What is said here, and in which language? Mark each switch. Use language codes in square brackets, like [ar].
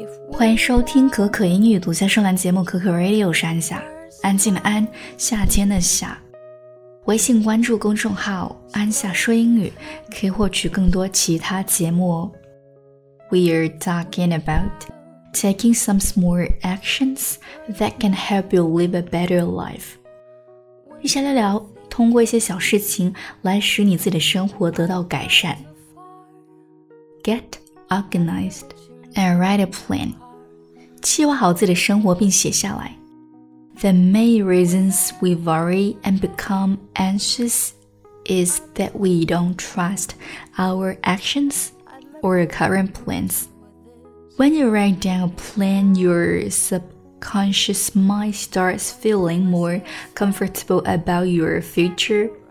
[zh] 欢迎收听可可英语独家声栏节目可可 Radio， 是安夏，安静的安，夏天的夏。微信关注公众号安夏说英语，可以获取更多其他节目哦。 [en] We are talking about taking some small actions that can help you live a better life. [zh] 一起来聊，通过一些小事情来使你自己的生活得到改善。 [en] Get organized and write a plan. [zh] 计划好自己的生活并写下来。 [en] The main reasons we worry and become anxious is that we don't trust our actions or current plans. When you write down a plan, your subconscious mind starts feeling more comfortable about your future.